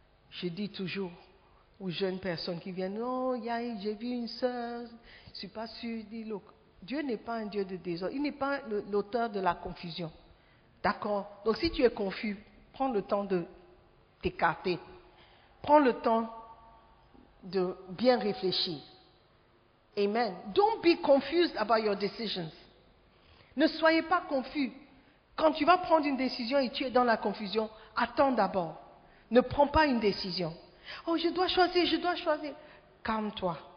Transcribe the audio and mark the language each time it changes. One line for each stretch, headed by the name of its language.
French: Je dis toujours aux jeunes personnes qui viennent, « Oh, j'ai vu une sœur, je ne suis pas sûre. » Dieu n'est pas un Dieu de désordre. Il n'est pas l'auteur de la confusion. D'accord? Donc, si tu es confus, prends le temps de t'écarter. Prends le temps de bien réfléchir. Amen.
English: Don't be confused about your decisions.
French: Ne soyez pas confus. Quand tu vas prendre une décision et tu es dans la confusion, attends d'abord. Ne prends pas une décision. Oh, je dois choisir. Calme-toi.